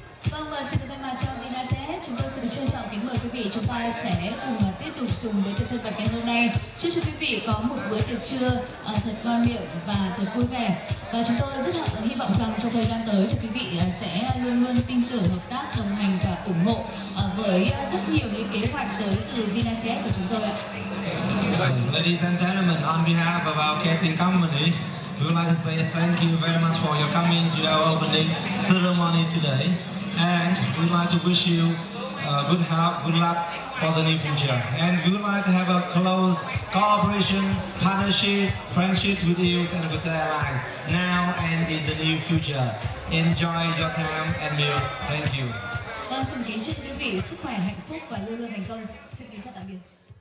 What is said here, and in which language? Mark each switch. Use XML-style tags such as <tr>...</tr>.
<vi>Vâng, và xin được thay mặt cho VinaCS, chúng tôi xin được trân trọng kính mời quý vị, chúng ta sẽ cùng tiếp tục dùng bữa tiệc thân mật ngày hôm nay. Chúc cho quý vị có một bữa tiệc trưa thật ngon miệng và thật vui vẻ. Và chúng tôi rất là hy vọng rằng trong thời gian tới thì quý vị sẽ luôn luôn tin tưởng, hợp tác, đồng hành và ủng hộ với rất nhiều những kế hoạch tới từ VinaCS của chúng tôi ạ.</vi> <en>Ladies and gentlemen, on behalf of our catering company, we would like to say thank you very much for your coming to our opening ceremony today. And we'd like to wish you good health, good luck for the near future. And we'd like to have a close cooperation, partnership, friendships with you and with the allies now and in the near future. Enjoy your time and meal. Thank you.</en> <vi>Vâng, xin kính chúc quý vị sức khỏe, hạnh phúc và luôn luôn thành công. Xin kính chào tạm biệt.</vi>